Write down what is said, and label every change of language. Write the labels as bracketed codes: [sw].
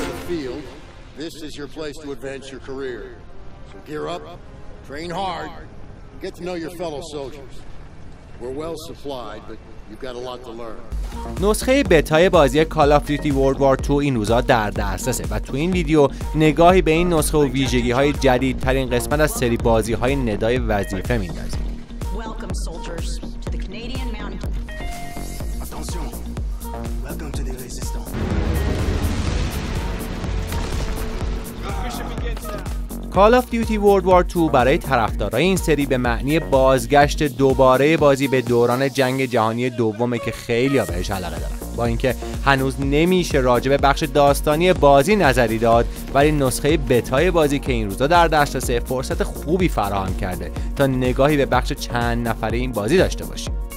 [en] field, this is your place to advance your career. So gear up, train hard, and get to know your fellow soldiers. We're well supplied, but you've got a lot to learn. [fa] نسخه بتای بازی Call of Duty World War 2 این روزا در دسترسه و تو این ویدیو نگاهی به این نسخه و ویژگی های جدید ترین قسمت از سری بازی های ندای وظیفه میندازیم. [en] Welcome soldiers to the Canadian mountain. Attention. Welcome to the resistance. [fa] Call of Duty World War 2 برای طرفدارای این سری به معنی بازگشت دوباره بازی به دوران جنگ جهانی دومه که خیلی ها بهش علاقه دارن. با اینکه هنوز نمیشه راجع به بخش داستانی بازی نظری داد، ولی نسخه بتای بازی که این روزا در دسترسه فرصت خوبی فراهم کرده تا نگاهی به بخش چند نفره این بازی داشته باشیم.